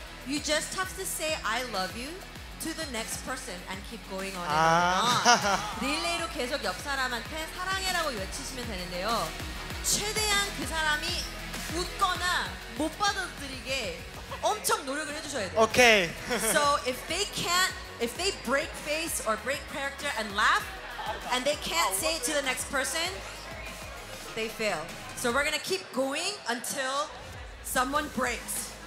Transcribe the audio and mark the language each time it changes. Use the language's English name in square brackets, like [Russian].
[English] You just have to say I love you to the next person and keep going on. 아. [Korean] 릴레이로 계속 옆 사람한테 사랑해라고 외치시면 되는데요. 최대한 그 사람이 웃거나 못 받아들이게 엄청 노력을 해주셔야 돼요. [English] Okay. So if they can't, if they break face or break character and laugh, and they can't say it to the next person, they fail. So we're gonna keep going until someone breaks.